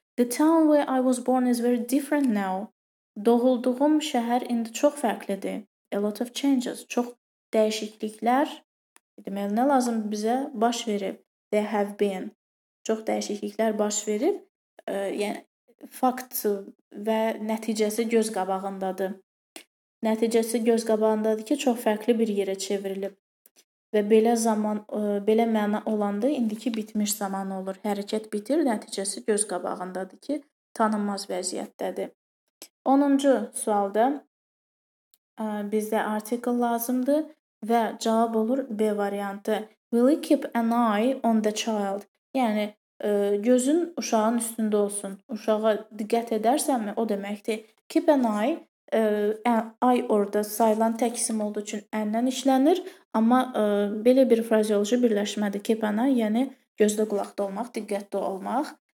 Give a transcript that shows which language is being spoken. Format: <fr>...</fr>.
<en>The town where I was born is very different now.</en> <az>Doğulduğum şəhər indi çox fərqlidir.</az> <en>A lot of changes.</en> <az>Çox dəyişikliklər, deməli, nə lazım bizə? Baş verib.</az> <en>They have been.</en> <az>Çox dəyişikliklər baş verib. Yəni, fakt və nəticəsi göz qabağındadır. Nəticəsi göz qabağındadır ki, çox fərqli bir yerə çevrilib. Və belə zaman, belə məna olandı, indiki bitmiş zaman olur. Hərəkət bitir, nəticəsi göz qabağındadır ki, tanınmaz vəziyyətdədir. 10-cu sualda bizdə artikl lazımdır və cavab olur B variantı.</az> <en>Will you keep an eye on the child?</en> <az>Yəni, gözün uşağın üstündə olsun. Uşağa diqqət edərsənmi, o deməkdir. Keep an eye. I orada sayılan tək isim olduğu üçün əndən işlənir, amma belə bir frazioloji birləşmədir keep an eye, yəni gözdə qulaqda olmaq, diqqətli olmaq.</az>